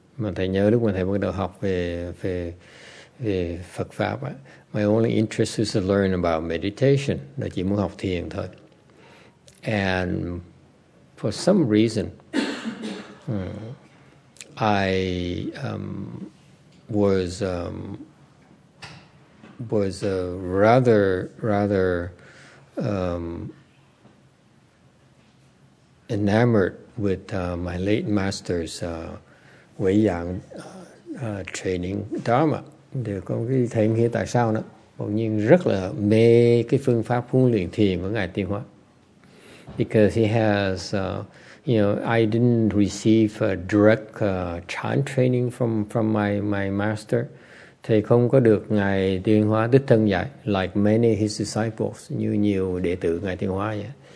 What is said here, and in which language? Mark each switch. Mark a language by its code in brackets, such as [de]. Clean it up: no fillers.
[vi] Mà thầy nhớ lúc mà thầy bắt đầu học về Phật pháp á. [en] My only interest is to learn about meditation. [vi] Là chỉ muốn học thiền thôi. [en] And for some reason, I was rather enamored with my late master's Wei Yang training Dharma. [vi] Đều có cái thấy nghĩa tại sao nữa. Bỗng nhiên rất là mê cái phương pháp huấn luyện thiền của Ngài Tiên Hóa. [en] Because he has, I didn't receive a direct chant training from my master. [vi] Thầy không có được Ngài Tiên Hóa đích thân dạy, [en] like many of his disciples, [vi] như nhiều đệ tử Ngài Tiên Hóa vậy.